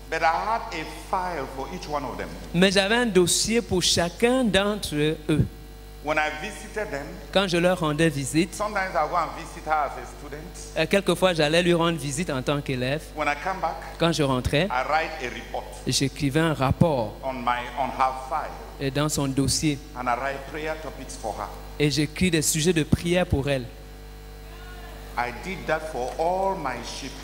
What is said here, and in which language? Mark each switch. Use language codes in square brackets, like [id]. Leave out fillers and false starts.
[en] But I had a file for each one of them. [fr] Mais j'avais un dossier pour chacun d'entre eux. [en] When I visited them, [fr] quand je leur rendais visite, [en] sometimes I went and visit her as a student. [fr] Quelquefois, j'allais lui rendre visite en tant qu'élève. [en] When I come back, [fr] quand je rentrais, [en] I write a report. [fr] J'écrivais un rapport [en] on her file. [fr] Et dans son dossier. [en] And I write prayer topics for her. [fr] Et j'écris des sujets de prière pour elle. [en] I did that for all my sheep.